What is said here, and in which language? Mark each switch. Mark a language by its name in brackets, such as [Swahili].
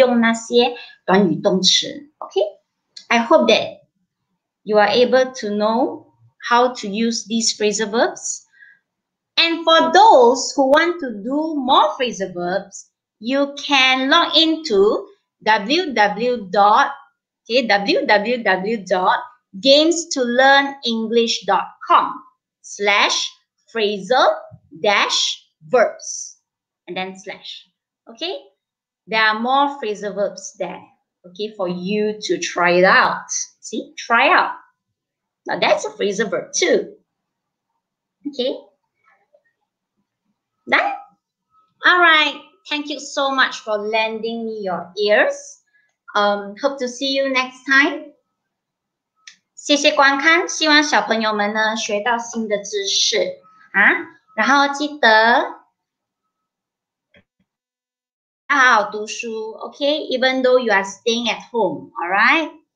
[Chinese] 不要只是学了，学了然后呢，只是会做练习，不会真正的去用那些短语动词, okay? [English] I hope that you are able to know how to use these phrasal verbs. And for those who want to do more phrasal verbs, you can log into www.gamestolearnenglish.com/phrasal-verbs and then slash. Okay, there are more phrasal verbs there, okay, for you to try it out. See, try out. Now that's a phrasal verb too. Okay, done. All right, thank you so much for lending me your ears. Hope to see you next time. [Chinese] 谢谢观看，希望小朋友们呢学到新的知识啊，然后记得。好好读书, okay? [English] Even though you are staying at home, all right?